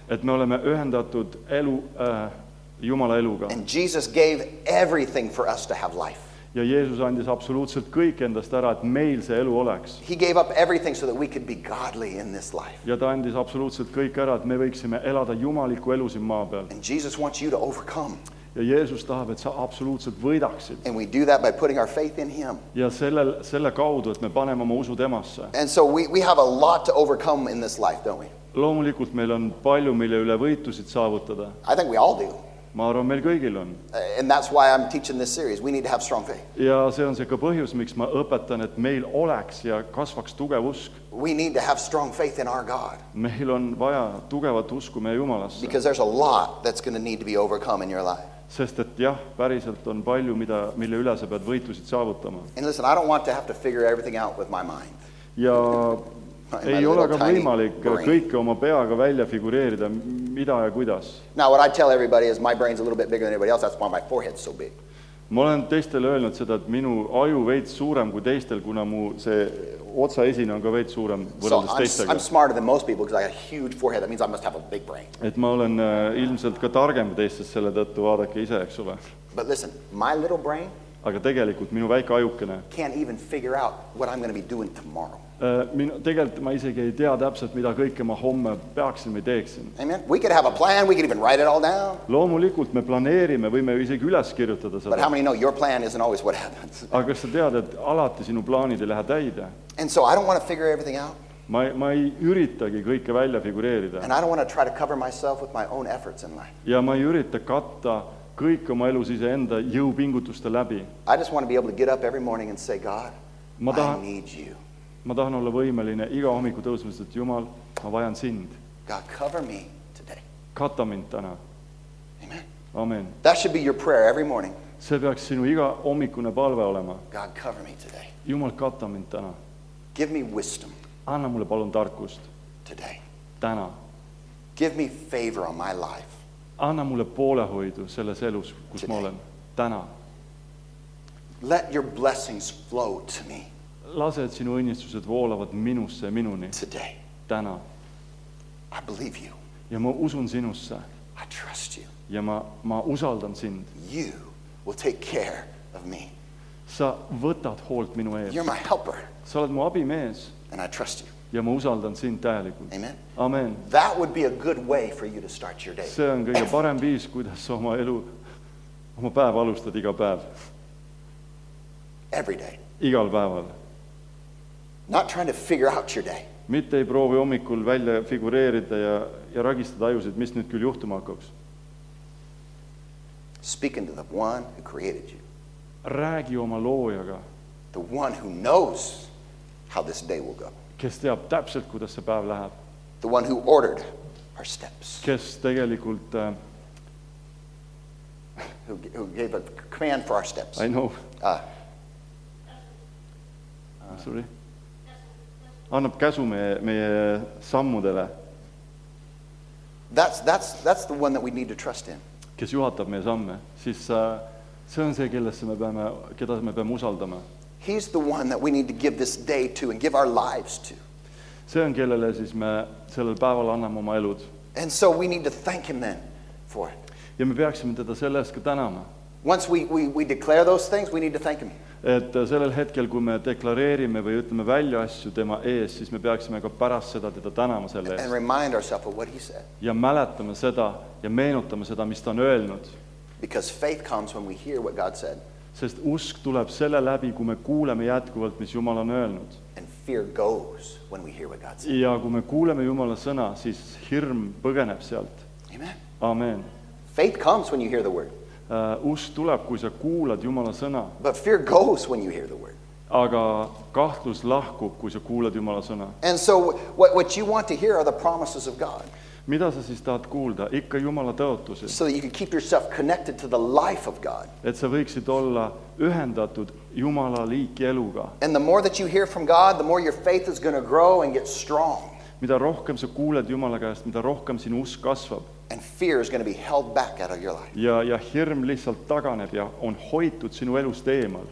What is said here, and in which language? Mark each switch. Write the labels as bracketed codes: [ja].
[et] Et me oleme ühendatud elu Jumala eluga. [en] And Jesus gave everything for us to have life. [et] Ja Jeesus andis absoluutselt kõik endast ära, et meil see elu oleks. [en] He gave up everything so that we could be godly in this life. [et] Ja ta andis absoluutselt kõik ära, et me võiksime elada jumaliku elu siin maa peal. [en] And Jesus wants you to overcome. [et] Ja Jeesus tahab, et sa absoluutselt võidaksid. [en] And we do that by putting our faith in him. [et] Ja selle kaudu, et me paneme oma usu temasse. [en] And so we have a lot to overcome in this life, don't we? [et] Loomulikult meil on palju, mille üle võitusid saavutada. [en] I think we all do. [et] Ma arvan, meil kõigil on. [en] And that's why I'm teaching this series. We need to have strong faith. [et] Ja see on see ka põhjus, miks ma õpetan, et meil oleks ja kasvaks tugev usk. [en] We need to have strong faith in our God. [et] Meil on vaja tugevat usku meie Jumalasse. [en] Because there's a lot that's going to need to be overcome in your life. [et] Sest et jah, päriselt on palju, mille üle sa pead võitlusid saavutama. [en] And listen, I don't want to have to figure everything out with my mind. [et] Ja ei ole ka võimalik kõike oma peaga välja figureerida, mida ja kuidas. [en] Now what I tell everybody is my brain's a little bit bigger than anybody else, that's why my forehead's so big. [et] Ma olen teistel öelnud seda, et minu aju veits suurem kui teistel, kuna mu see otsa esine on ka veits suurem võrreldes teistega. [en] So I'm smarter than most people because I got a huge forehead, that means I must have a big brain. [et] Et ma olen ilmselt ka targem teistest selle tõttu, vaadake ise, eks ole. [en] But listen, my little brain [et] aga tegelikult minu väike ajukene [en] can't even figure out what I'm going to be doing tomorrow. [et] Tegelikult ma isegi ei tea täpselt, mida kõike ma homme peaksin või teeksin. [en] Amen. We could have a plan, we could even write it all down. [et] Loomulikult me planeerime, võime isegi üles kirjutada seda. [en] But how many know your plan isn't always what happens? [et] Aga kas sa tead, et alati sinu plaanid ei lähe täide? [en] And so I don't want to figure everything out. [et] Ma ei üritagi kõike välja figureerida. [en] And I don't want to try to cover myself with my own efforts in life. [et] Ja ma ei ürita katta kõik oma elu siis enda jõupingutuste läbi. [en] I just want to be able to get up every morning and say, God, I need you. [et] Ma tahan olla võimeline iga hommiku tõusmas, et Jumal, ma vajan sind. [en] God, cover me today. [et] Katta mind täna. [en] Amen. [et] Amen. [en] That should be your prayer every morning. [et] See peaks sinu iga hommikune palve olema. [en] God, cover me today. [et] Jumal, katta mind täna. [en] Give me wisdom. [et] Anna mulle palun tarkust. [en] Today. [et] Täna. [en] Give me favor on my life. [et] Anna mulle poolehoidu selles elus, kus ma olen. Täna. [en] Let your blessings flow to me. [et] Lase, et sinu õnnistused voolavad minusse ja minuni. [en] Today. [et] Täna. [en] I believe you. [et] Ja ma usun sinusse. [en] I trust you. [et] Ja ma usaldan sind. [en] You will take care of me. [et] Sa võtad hoolt minu eest. [en] You're my helper. [et] Sa oled mu abimees. [en] And I trust you. [et] Ja ma usaldan sind täielikult. [en] Amen. [et] Amen. [en] That would be a good way for you to start your day. [et] See on kõige parem viis, kuidas sa oma elu, oma päev alustad iga päev. [en] Every day. [et] Igal päeval. [en] Not trying to figure out your day. [et] Mitte ei proovi hommikul välja figureerida ja ragistada ajusid, mis nüüd küll juhtuma hakkaks. [en] Speak into the one who created you. [et] Räägi oma loojaga. [en] The one who knows how this day will go. [et] Kes teab täpselt, kuidas see päev läheb. [en] The one who ordered our steps. [et] Kes tegelikult [en] who gave a command for our steps. I know. Sorry. [et] Annab käsu meie sammudele. [en] That's the one that we need to trust in. [et] Kes juhatab meie samme, siis see on see, kellesse me peame, keda me peame usaldama. [en] He's the one that we need to give this day to and give our lives to. [et] See on, kellele siis me sellel päeval anname oma elud. [en] And so we need to thank him then for it. [et] Ja me peaksime teda sellest ka tänama. [en] Once we declare those things, we need to thank him. [et] Et sellel hetkel, kui me deklareerime või ütleme välja asju tema ees, siis me peaksime ka pärast seda teda tänama selle ees. [en] And remind ourselves of what he said. [et] Ja mäletame seda ja meenutame seda, mis ta on öelnud. [en] Because faith comes when we hear what God said. [et] Sest usk tuleb selle läbi, kui me kuuleme jätkuvalt, mis Jumal on öelnud. [en] And fear goes when we hear what God said. [et] Ja kui me kuuleme Jumala sõna, siis hirm põgeneb sealt. [en] Amen. [et] Amen. [en] Faith comes when you hear the word. [et] Usk tuleb, kui sa kuulad Jumala sõna. [en] But fear goes when you hear the word. [et] Aga kahtlus lahkub, kui sa kuulad Jumala sõna. [en] And so what you want to hear are the promises of God. [et] Mida sa siis tahad kuulda? Ikka Jumala tõotused. [en] So that you can keep yourself connected to the life of God. [et] Et sa võiksid olla ühendatud Jumala liiki eluga. [en] And the more that you hear from God, the more your faith is going to grow and get strong. [et] Mida rohkem sa kuuled Jumala käest, mida rohkem sinu usk kasvab. [en] And fear is going to be held back out of your life. [et] Ja hirm lihtsalt taganeb ja on hoitud sinu elust eemal.